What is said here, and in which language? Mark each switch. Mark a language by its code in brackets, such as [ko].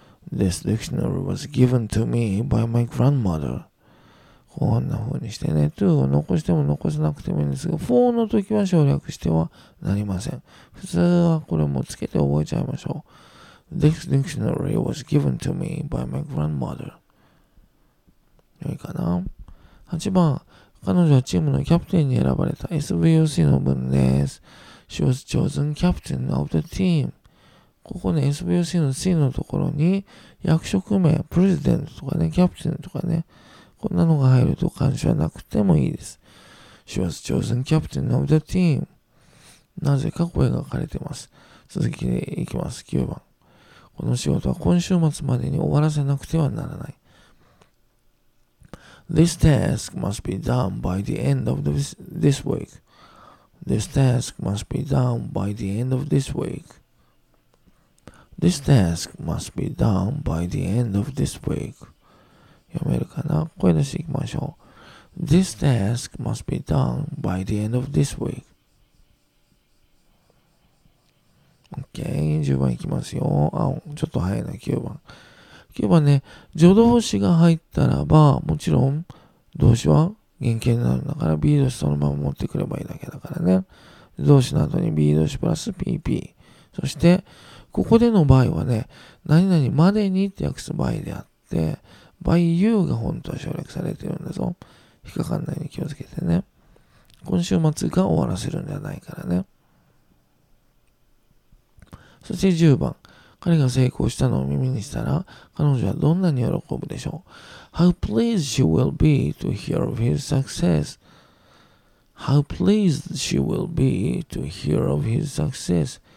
[en] This dictionary was given to me by my grandmother. [ja] こんな風にしてね、to を残しても残さなくてもいいんですが、for の時は省略してはなりません。普通はこれもつけて覚えちゃいましょう。 [en] This dictionary was given to me by my grandmother. [ja] よいかな。8番、彼女はチームのキャプテンに選ばれた SVOC の文です。 [en] She was chosen captain of the team. [ja] ここね、SBOC の C のところに、役職名、プレジデントとかね、キャプテンとかね、こんなのが入ると感謝なくてもいいです。 [en] She was chosen captain of the team. [ja] なぜか声が枯れてます。続きでいきます。9番。この仕事は今週末までに終わらせなくてはならない。 [en] This task must be done by the end of this week. This task must be done by the end of this week. This task must be done by the end of this week. [ja] 読めるかな？声出していきましょう。 [en] This task must be done by the end of this week. [ja] OK、10番いきますよ。あ、ちょっと早いな、9番。 9番ね、助動詞が入ったらば、もちろん動詞は原型になるんだから、B 動詞そのまま持ってくればいいだけだからね。動詞の後に B 動詞プラス PP。そして、ここでの場合はね、何々までにって訳す場合であって、by you が本当は省略されてるんだぞ。引っかかんないように気をつけてね。今週末が終わらせるんじゃないからね。そして10番。彼が成功したのを耳にしたら、彼女はどんなに喜ぶでしょう。 [en] How pleased she will be to hear of his success. How pleased she will be to hear of his success.